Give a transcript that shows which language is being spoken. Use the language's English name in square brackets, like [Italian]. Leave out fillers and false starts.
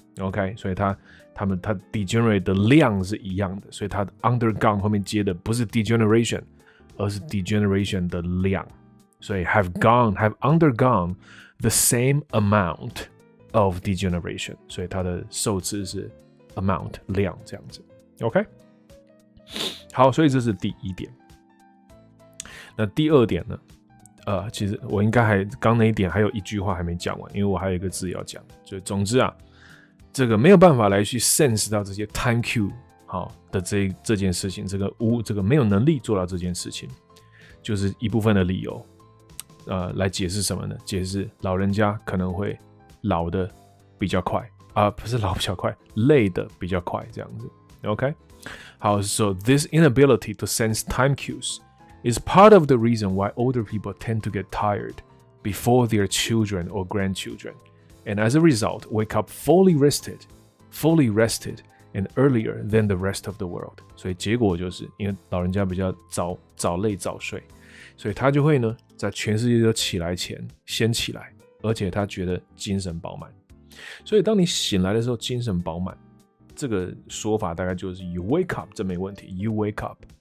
[Chinese] OK， 所以它 degenerate 的量是一样的，所以它 undergone 后面接的不是 degeneration， 而是 degeneration 的量。 [English] 所以 have undergone the same amount of degeneration. [Chinese] 所以它的受词是 amount 量这样子。 OK， 好，所以这是第一点。那第二点呢？其实我应该还刚那一点还有一句话还没讲完，因为我还有一个字要讲。就总之啊，这个没有办法来去 sense 到这些 time cue 好的 这件事情，这个没有能力做到这件事情，就是一部分的理由。来解释什么呢？解释老人家可能会老的比较快啊，不是老比较快，累的比较快这样子。 [English] OK， 好 ，so this inability to sense time cues。 Is part of the reason why older people tend to get tired before their children or grandchildren, and as a result, wake up fully rested, and earlier than the rest of the world. [Chinese] 所以结果就是因为老人家比较早累早睡，所以他就会呢在全世界都起来前先起来，而且他觉得精神饱满。所以当你醒来的时候精神饱满，这个说法大概就是 [English] you wake up， [Chinese] 这没问题 ，you wake up。